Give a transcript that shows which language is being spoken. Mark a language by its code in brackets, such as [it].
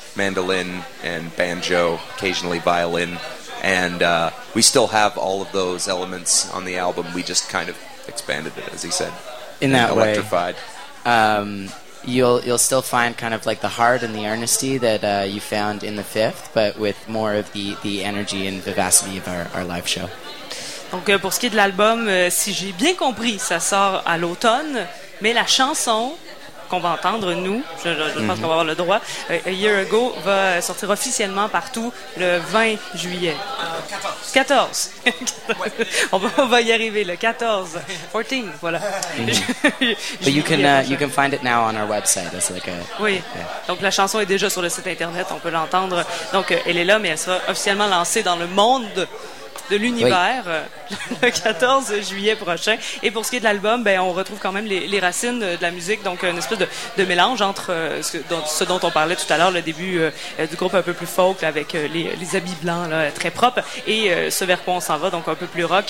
[en] mandolin and banjo, occasionally violin, and we still have all of those elements on the album. We just kind of expanded it, as he said, in that way. Electrified. You'll still find kind of like the heart and the earnesty that you found in the fifth, but with more of the energy and vivacity of our live show. [fr] Donc pour ce qui est de l'album, si j'ai bien compris, ça sort à l'automne, mais la chanson qu'on va entendre, nous, je pense qu'on va avoir le droit, A Year Ago, va sortir officiellement partout le 20 juillet. 14. On va y arriver, le 14. 14, voilà. [en] But you can find it now on our website. It's like oui. Yeah. [fr] Donc la chanson est déjà sur le site internet, on peut l'entendre. Donc elle est là, mais elle sera officiellement lancée dans le monde de l'univers le 14 juillet prochain. Et pour ce qui est de l'album, ben on retrouve quand même les racines de la musique, donc une espèce de mélange entre ce dont on parlait tout à l'heure, le début du groupe un peu plus folk là, avec les habits blancs là, très propres, et ce vers quoi on s'en va, donc un peu plus rock.